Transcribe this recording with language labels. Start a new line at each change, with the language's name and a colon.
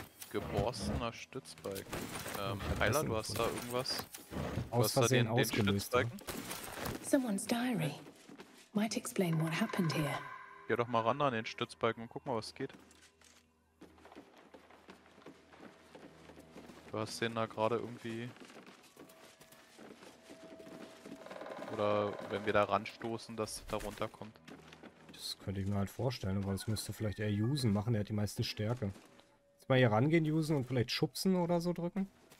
German: Geborstener Stützbalken. Heiler, du hast da irgendwas? Aus Versehen ausgelöst.
English: Den Someone's diary. Might explain what happened here.
German: Geh doch mal ran an den Stützbalken und guck mal, was geht. Du hast den da gerade irgendwie... Oder wenn wir da ranstoßen, dass da runterkommt. Das könnte ich mir halt vorstellen, aber das müsste vielleicht eher Jusen machen, der hat die meiste Stärke. Jetzt mal hier rangehen, Jusen, und vielleicht schubsen oder so drücken.